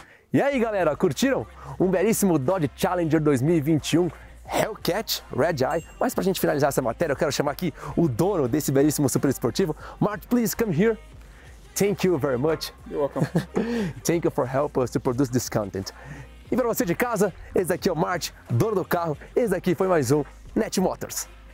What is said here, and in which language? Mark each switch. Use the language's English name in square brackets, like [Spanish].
[Portuguese] E aí, galera, curtiram? Um belíssimo Dodge Challenger 2021 Hellcat Red-Eye. Mas pra gente finalizar essa matéria, eu quero chamar aqui o dono desse belíssimo super esportivo. [English] Mark, please come here. Thank you very much. You're welcome. Thank you for helping us to produce this content. [Portuguese] E pra você de casa, esse daqui é o Mark, dono do carro. Esse daqui foi mais um NET Motors.